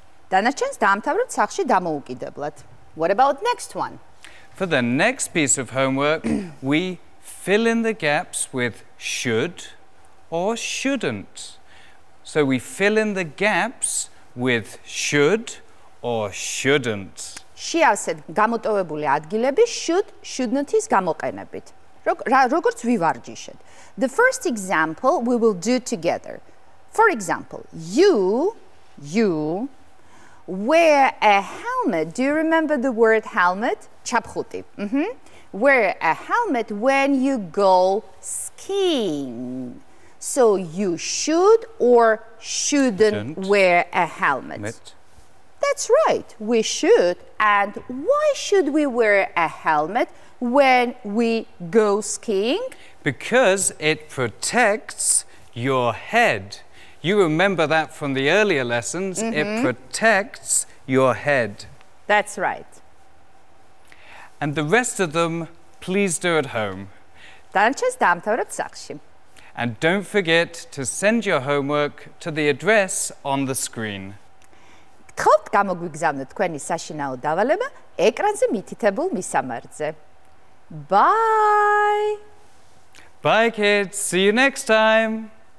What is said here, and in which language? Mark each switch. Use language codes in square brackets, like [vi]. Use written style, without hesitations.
[ka] Danachens damtavrot sakhshi damoukideblat. [en] What about next one? For the next piece of homework, we fill in the gaps with should or shouldn't. So we fill in the gaps with should or shouldn't. [ka] შეასეთ გამოტოვებული ადგილები should shouldn't-ის გამოყენებით. როგორც ვივარჯიშეთ. [en] The first example we will do together. For example, you wear a helmet. Do you remember the word helmet? Chapkhuti. Mhm. Wear a helmet when you go skiing. So you should or shouldn't wear a helmet. That's right. We should. And why should we wear a helmet when we go skiing? Because it protects your head. You remember that from the earlier lessons. Mm-hmm. It protects your head. That's right. And the rest of them, please do at home. [ka] Danches damtavrot sakhshi. [en] And don't forget to send your homework to the address on the screen. [ka] გთხოვთ გამოგვიგზავნოთ თქვენი საშინაო დავალება ეკრანზე მითითებულ მისამართზე. [en] Bye. Bye kids, see you next time.